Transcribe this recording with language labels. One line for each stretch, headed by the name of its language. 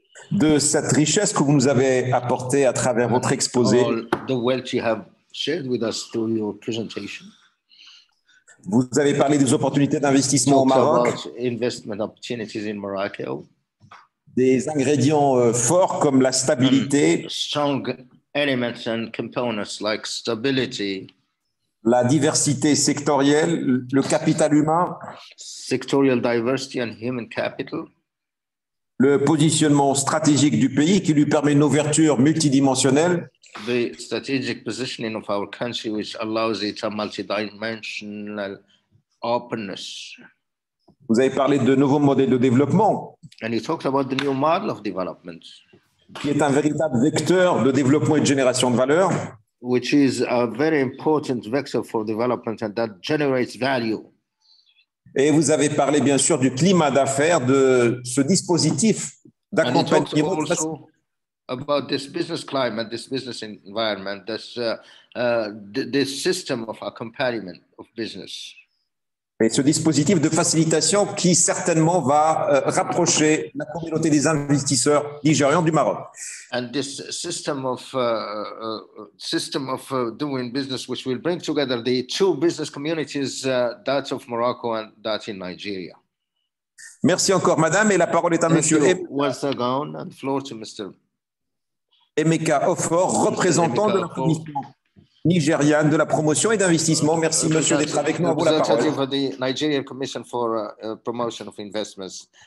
French: De cette richesse que vous nous avez apportée à travers votre exposé.
English: All the wealth you have shared with us through your presentation.
French: Vous avez parlé des opportunités d'investissement au Maroc.
English: About investment opportunities in Morocco.
French: Des ingrédients forts comme la stabilité.
English: Strong elements and components like stability.
French: La diversité sectorielle, le capital humain,
English: sectorial diversity and human capital,
French: le positionnement stratégique du pays qui lui permet une ouverture multidimensionnelle,
English: the strategic positioning of our country which allows it a multidimensional openness.
French: Vous avez parlé de nouveaux modèles de développement.
English: And you talked about the new model of development,
French: qui est un véritable vecteur de développement et de génération de valeur.
English: Which is a very important vector for development and that generates value.
French: Et vous avez parlé bien sûr du climat d'affaires de ce dispositif d'accompagnement.
English: And you talked also about this business climate, this business environment, this system of accompaniment of business.
French: Et ce dispositif de facilitation qui certainement va rapprocher la communauté des investisseurs nigérians du Maroc.
English: And this system of doing business which will bring together the two business communities, that of Morocco and that in Nigeria.
French: Merci encore, madame, et la parole est à monsieur.
English: Once again, and floor to Mr.
French: Emeka Ofor, représentant de la commission nigériane de la promotion et d'investissement. Merci, monsieur, d'être avec nous. À vous la parole.
English: For the Nigerian Commission for Promotion of Investments.